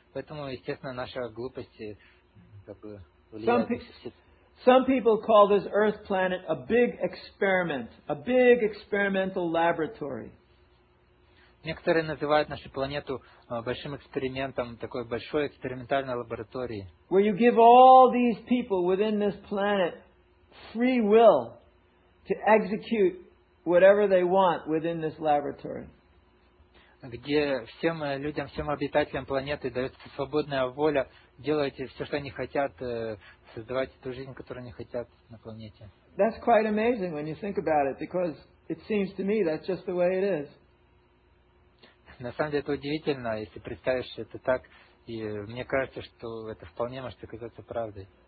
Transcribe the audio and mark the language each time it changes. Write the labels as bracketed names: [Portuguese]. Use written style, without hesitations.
[Russian] Поэтому, естественно, наша глупость как бы влияет. [English] Some people call this Earth planet a big experiment, a big experimental laboratory. [Russian] Некоторые называют нашу планету большим экспериментом, такой большой экспериментальной лабораторией. [English] Where you give all these people within this planet free will to execute whatever they want within this laboratory. [Russian] Где всем людям, всем обитателям планеты дается свободная воля делать все, что они хотят, создавать ту жизнь, которую они хотят на планете. [English] That's quite amazing when you think about it, because it seems to me that's just the way it is. [Russian] На самом деле это удивительно, если представишь это так, и мне кажется, что это вполне может оказаться правдой.